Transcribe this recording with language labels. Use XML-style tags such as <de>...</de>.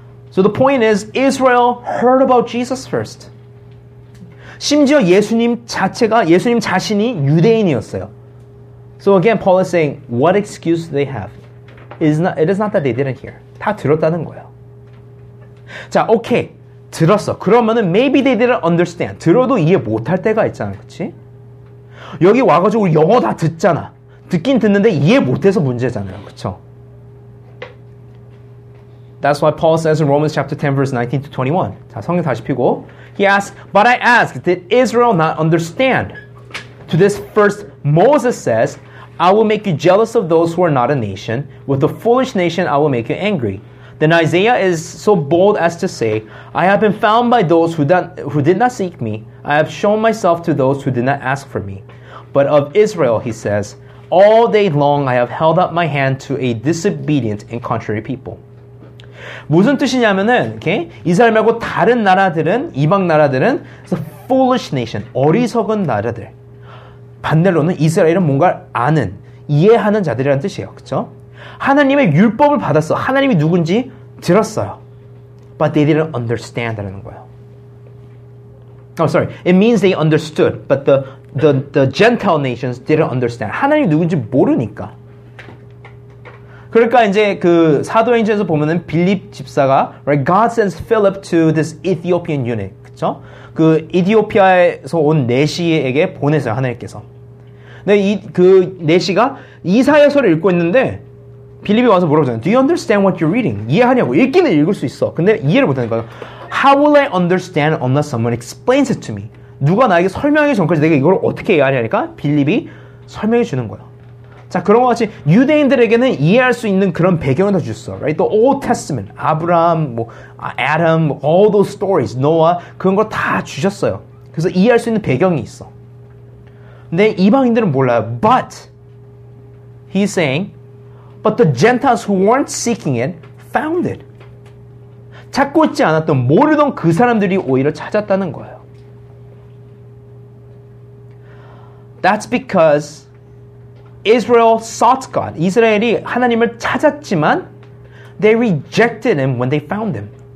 <en>So the point is Israel heard about Jesus first.</en> <ko>심지어 예수님 자신이 유대인이었어요.</ko> <en>So again, Paul is saying, what excuse do they have? It is not that they didn't hear.</en> <ko>다 들었다는 거예요. 자, 오케이. 들었어.</ko> <en>그러면은 maybe they didn't understand.</en> <ko>들어도 이해 못할 때가 있잖아. 그치? 여기 와가지고 우리 영어 다 듣잖아. 듣긴 듣는데 이해 못해서 문제잖아요. 그쵸?</ko> <en>That's why Paul says in Romans chapter 10 verse 19 to 21.</en> <ko>자, 성경 다시 펴고.</ko> <en>He asks, but I ask, did Israel not understand? To this first, Moses says, I will make you jealous of those who are not a nation. With a foolish nation, I will make you angry. Then Isaiah is so bold as to say, I have been found by those who did not seek me. I have shown myself to those who did not ask for me. But of Israel, he says, all day long I have held up my hand to a disobedient and contrary people.</en> <ko>무슨 뜻이냐면은, okay? 이스라엘 말고 다른 나라들은, 이방 나라들은,</ko> <en>it's a foolish nation,</en> <ko>어리석은 나라들. 반대로는 이스라엘은 뭔가를 아는, 이해하는 자들이라는 뜻이에요. 그쵸? 하나님의 율법을 받았어. 하나님이 누군지 들었어요.</ko> <en>But they didn't understand</en> <ko>라는 거예요.</ko> <en>Oh, sorry. It means they understood, but the Gentile nations didn't understand.</en> <ko>하나님이 누군지 모르니까. 그러니까 이제 그 사도행전에서 보면은 빌립 집사가</ko> <en>right, God sends Philip to this Ethiopian eunuch,</en> <ko>그쵸? 그 이디오피아에서 온 내시에게 보내서 하나님께서. 근데 그 내시가 이사야서를 읽고 있는데 빌립이 와서 뭐라고 하잖아요.</ko> <en>Do you understand what you're reading?</en> <ko>이해하냐고. 읽기는 읽을 수 있어. 근데 이해를 못하니까.</ko> <en>How will I understand unless someone explains it to me?</en> <ko>누가 나에게 설명하기 전까지 내가 이걸 어떻게 이해하냐니까 빌립이 설명해 주는 거야. 자, 그런 것 같이 유대인들에게는 이해할 수 있는 그런 배경을 다 줬어.</ko> <en>Right? The Old Testament, 아브라함, 뭐 아담, all those stories, 노아</en> <ko>그런 거 다 주셨어요. 그래서 이해할 수 있는 배경이 있어. 근데 이방인들은 몰라요.</ko> <en>But he's saying, but the Gentiles who weren't seeking it found it.</en> <ko>찾고 있지 않았던 모르던 그 사람들이 오히려 찾았다는 거예요.</ko> <en>That's because Israel sought God.</en> <ko>이스라엘이 하나님을 찾았지만</ko> <en>they rejected him when they found him.</en>